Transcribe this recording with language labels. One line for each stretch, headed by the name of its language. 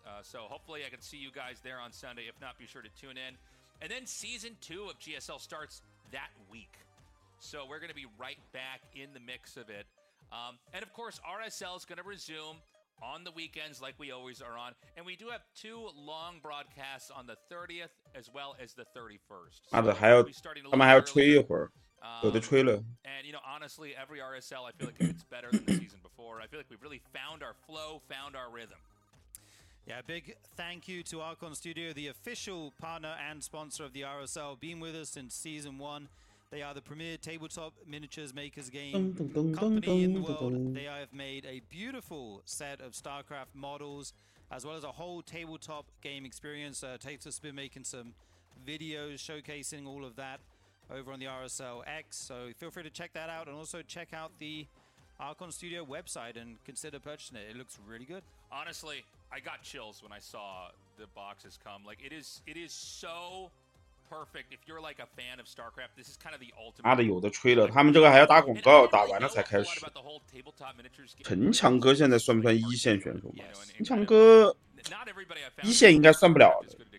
English: So hopefully I can see you guys there on Sunday. If not, be sure to tune in. And then season 2 of GSL starts. that week. So we're going to be right back in the mix of it. And of course, RSL is going to resume on the weekends like we always are on. And we do have two long broadcasts on the 30th as well as the 31st.
Chinese: So 我们还要吹一会儿。
English: And, you know, honestly, every RSL, I feel like it's better than the season before. I feel like we've really found our flow, found our rhythm. Yeah, big thank you to Archon Studio, the official partner and sponsor of the RSL, being with us since season one. They are the premier tabletop miniatures makers game company in the world. They have made a beautiful set of StarCraft models, as well as a whole tabletop game experience. Tates has been making some videos showcasing all of that over on the RSL X, so feel free to check that out and also check out the Archon Studio website and consider purchasing it. It looks really good. Honestly, I got chills when I saw the boxes come. Like, it is so perfect. If you're like a fan of StarCraft, this is kind of the ultimate.
Chinese: 妈的，有的吹了，他们这个还要打广告，打完了才开始。陈强哥现在算不算一线选手吗？陈强哥一线应该算不了的。